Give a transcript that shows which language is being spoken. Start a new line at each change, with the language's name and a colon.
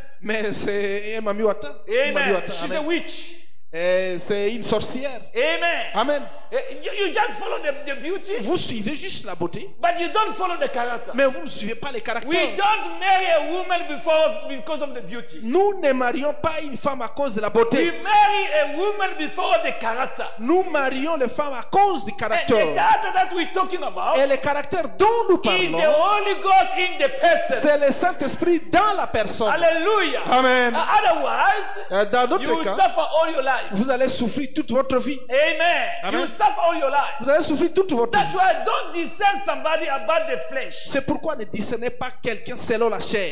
French: Mais c'est mambi wata.
English: Amen. She's a witch.
French: Et c'est une sorcière. Amen. Amen.
English: You just follow the beauty.
French: Vous suivez juste la beauté.
English: But you don't follow the character.
French: Mais vous ne suivez pas les caractères.
English: We don't marry a woman before because of the beauty.
French: Nous ne marions pas une femme à cause de la beauté.
English: We marry a woman before the character.
French: Nous marions les femmes à cause du caractère.
English: The character that we're talking about.
French: Et le caractère dont nous parlons.
English: Is the Holy Ghost in the person.
French: C'est le Saint-Esprit dans la personne. Alléluia. Amen.
English: Otherwise,
French: dans d'autres
English: you
French: cas,
English: suffer all your life.
French: Vous allez souffrir toute votre vie. Amen. Amen.
English: You suffer all your life.
French: Vous allez souffrir toute votre
English: That's
French: vie.
English: That's why don't discern somebody about the flesh.
French: C'est pourquoi ne discernez pas quelqu'un selon la chair.